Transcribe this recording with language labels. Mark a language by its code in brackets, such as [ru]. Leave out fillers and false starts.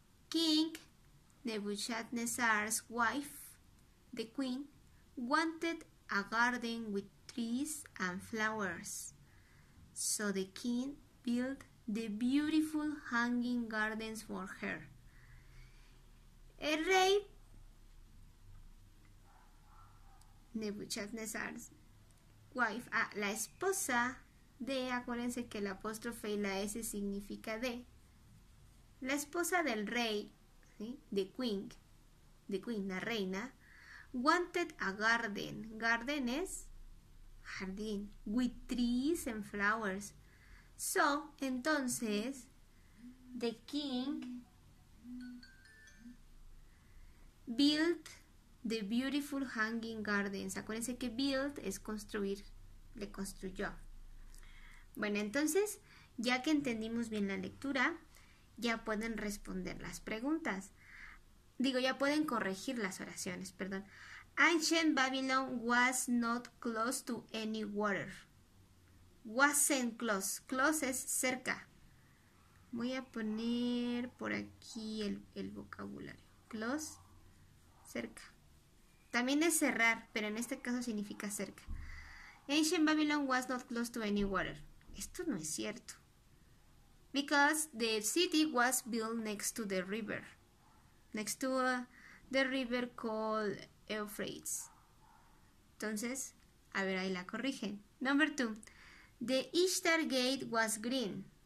[en] King Nebuchadnezzar's wife, the queen, wanted a garden with trees and flowers. So the king built the beautiful Hanging Gardens for her. [es] El rey [en] Nebuchadnezzar's wife, [es] la esposa de, acuérdense que el apóstrofe y la S significa de, la esposa del rey, ¿sí? [en] The queen, [es] la reina, [en] wanted a garden, garden [es] es jardín, [en] with trees and flowers. So, entonces, the king built the beautiful hanging gardens. [es] Acuérdense que build es construir. Le construyó. Bueno, entonces, ya que entendimos bien la lectura, ya pueden responder las preguntas. Digo, ya pueden corregir las oraciones, perdón. [en] Ancient Babylon was not close to any water. Wasn't close. [es] Close es cerca. Voy a poner por aquí el vocabulario. Close, cerca. También es cerrar, pero en este caso significa cerca. [en] Ancient Babylon was not close to any water. [es] Esto no es cierto. [en] Because the city was built next to the river. Next to the river called Euphrates. [es] Entonces, a ver, ahí la corrigen. [en] Number two. The Ishtar Gate was green.